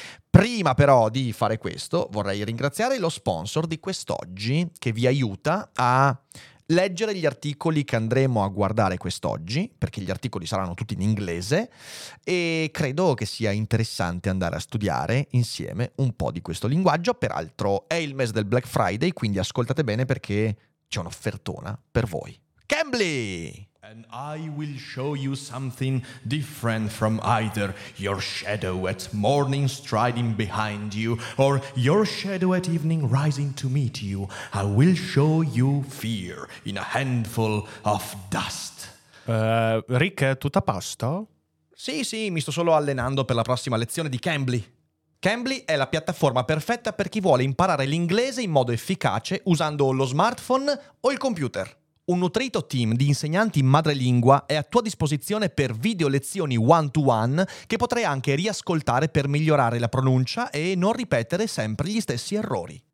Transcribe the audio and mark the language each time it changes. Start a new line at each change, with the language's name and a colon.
Italian: Prima però di fare questo, vorrei ringraziare lo sponsor di quest'oggi che vi aiuta a leggere gli articoli che andremo a guardare quest'oggi, perché gli articoli saranno tutti in inglese, e credo che sia interessante andare a studiare insieme un po' di questo linguaggio. Peraltro è il mese del Black Friday, quindi ascoltate bene perché c'è un'offertona per voi. Cambly!
English: And I will show you something different from either your shadow at morning striding behind you or your shadow at evening rising to meet you. I will show you fear in a handful of dust.
Italian: Rick, tutto a posto? Sì, sì, mi sto solo allenando per la prossima lezione di Cambly. Cambly è la piattaforma perfetta per chi vuole imparare l'inglese in modo efficace usando lo smartphone o il computer. Un nutrito team di insegnanti madrelingua è a tua disposizione per video lezioni one-to-one che potrai anche riascoltare per migliorare la pronuncia e non ripetere sempre gli stessi errori.